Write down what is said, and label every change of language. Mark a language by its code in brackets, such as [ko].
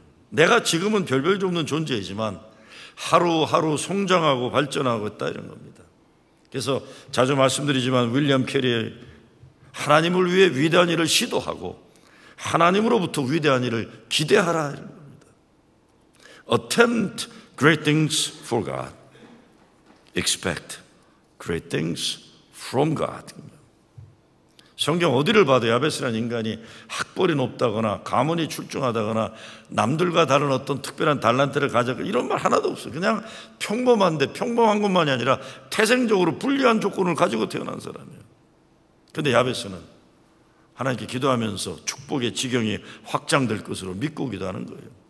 [ko] 내가 지금은 별별 없는 존재이지만 하루하루 성장하고 발전하고 있다 이런 겁니다. 그래서 자주 말씀드리지만 윌리엄 캐리의 하나님을 위해 위대한 일을 시도하고 하나님으로부터 위대한 일을 기대하라 이런 겁니다. [en] Attempt great things for God. Expect great things from God. [ko] 성경 어디를 봐도 야베스라는 인간이 학벌이 높다거나 가문이 출중하다거나 남들과 다른 어떤 특별한 달란트를 가져가 이런 말 하나도 없어요. 그냥 평범한데 평범한 것만이 아니라 태생적으로 불리한 조건을 가지고 태어난 사람이에요. 그런데 야베스는 하나님께 기도하면서 축복의 지경이 확장될 것으로 믿고 기도하는 거예요.